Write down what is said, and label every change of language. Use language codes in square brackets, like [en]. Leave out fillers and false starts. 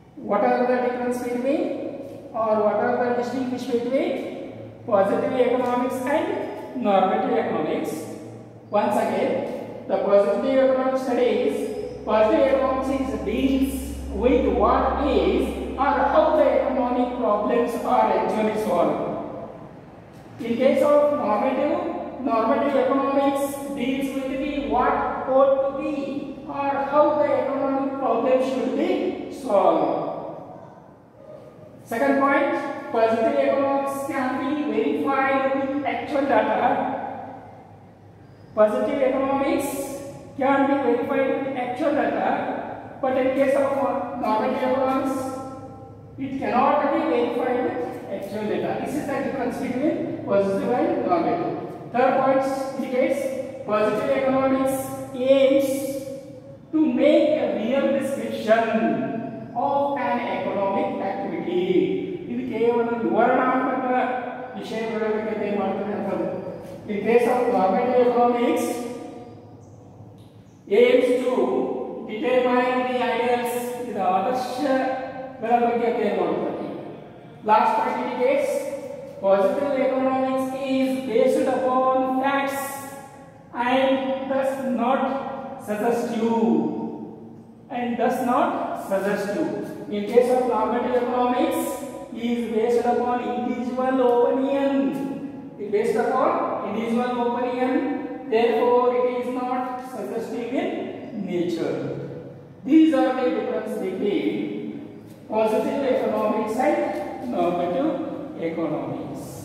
[en] What are the difference between or what are the distinguish between positive economics and normative economics? Once again, the positive economic studies positive economics is deals with what is or how the economic problems are actually solve. In case of normative economics deals with the what ought to be or how the economic problem should be solved. Second point, positive economics can be verified with actual data. Positive economics can be verified with actual data, but in case of normative economics, it cannot be verified with actual data. This is the difference between positive and normative. Third point, in case positive economics aims to make a real description of an economic activity. [kn] ಇದು ಕೇವಲ ವಿವರಣಾತ್ಮಕ ವಿಷಯಗಳ ಬಗ್ಗೆ ಏನು ಮಾಡ್ತದೆ ಅಂತ. [en] in case of normative economics aims to determine the ideals [kn] ಇದು ಆದರ್ಶಗಳ ಬಗ್ಗೆ ಏನು ಮಾಡ್ತದೆ. [en] Last point, in case positive economics is based upon facts and does not suggest you and does not suggest you. In case of normative economics is based upon individual opinion. It is based upon individual opinion, therefore it is not suggestive in nature. These are the differences between positive economics and normative economics.